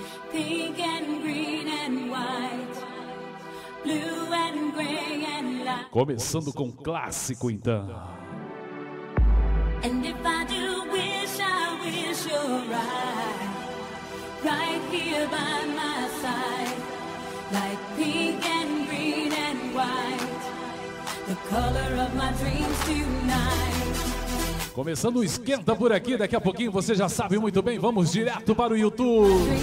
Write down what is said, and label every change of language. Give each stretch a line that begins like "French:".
English: Pink and green and white, blue and gray and light.
Portuguese: Começando com um clássico, então.
English: And if I do wish, I wish you're right, right here by my side. Like pink and green and white, the color of my dreams tonight.
Portuguese: Começando o Esquenta por aqui, daqui a pouquinho você já sabe muito bem, vamos direto para o YouTube.